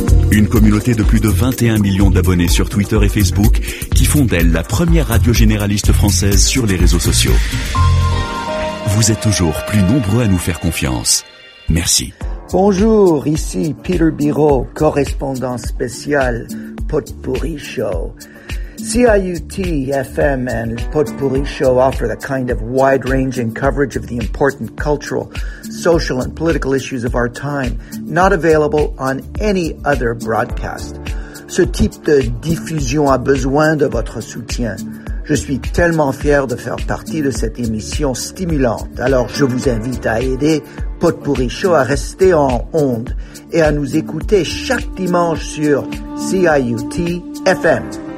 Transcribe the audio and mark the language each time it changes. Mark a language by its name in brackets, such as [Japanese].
[French] Une communauté de plus de 21 millions d'abonnés sur Twitter et Facebook qui font d'elle la première radio généraliste française sur les réseaux sociaux. Vous êtes toujours plus nombreux à nous faire confiance. Merci. Bonjour, ici Peter Biraud, correspondant spécial Potpourri Show. [English] CIUT FM and Potpourri Show offer the kind of wide-ranging coverage of the important cultural, social, and political issues of our time not available on any other broadcast. [French] Ce type de diffusion a besoin de votre soutien. Je suis tellement fier de faire partie de cette émission stimulante. Alors, je vous invite à aider Potpourri Show à rester en onde et à nous écouter chaque dimanche sur CIUT FM.